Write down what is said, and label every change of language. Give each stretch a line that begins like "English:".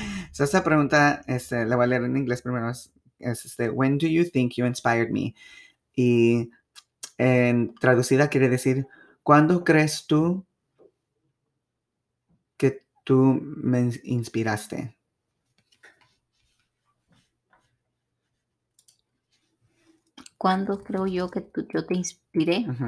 Spanish: So, esta pregunta la voy a leer en inglés primero.
English: When do you think you inspired me?
Spanish: Y en traducida quiere decir, ¿cuándo crees tú que tú me inspiraste? ¿Cuándo creo yo que tú, yo te inspiré?